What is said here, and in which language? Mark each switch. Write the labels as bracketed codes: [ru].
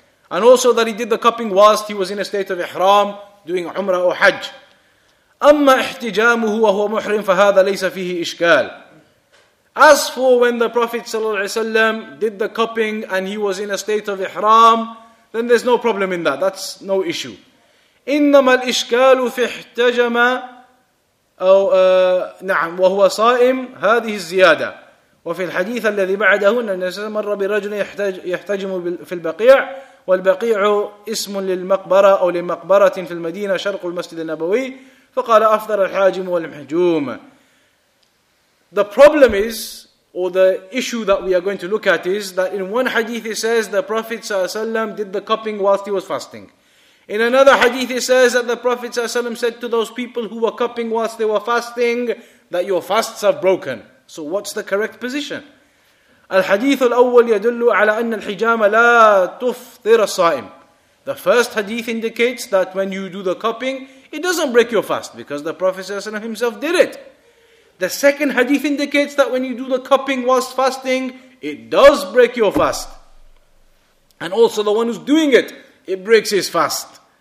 [en] And also that he did the cupping whilst he was in a state of ihram, doing umrah or hajj. [ar] أَمَّا إِحْتِجَامُهُ وَهُوَ مُحْرِمْ فَهَذَا لَيْسَ فِيهِ إِشْكَالٍ. [en] As for when the Prophet ﷺ did the cupping and he was in a state of ihram, then there's no problem in that. That's no issue. [ar] إِنَّمَا الْإِشْكَالُ فِي احْتَجَمَا أو نعم وهو صائم هذه الزيادة. وفي الحديث الذي بعده أن مر برجل يحتجم في البقيع والبقيع اسم للمقبرة أو لمقبرة في المدينة شرق المسجد النبوي فقال أفضل الحاجم والمحجوم. [en] The problem is, or the issue that we are going to look at, is that in one hadith it says the Prophet ﷺ did the cupping whilst he was fasting. In another hadith it says that the Prophet ﷺ said to those people who were cupping whilst they were fasting that your fasts are broken. So what's the correct position? [ar] الحديث الأول يدل على أن الحجامة لا تفطر الصائم. [en] The first hadith indicates that when you do the cupping, it doesn't break your fast because the Prophet ﷺ himself did it. The second hadith indicates that when you do the cupping whilst fasting, it does break your fast. And also the one who's doing it, it breaks his fast.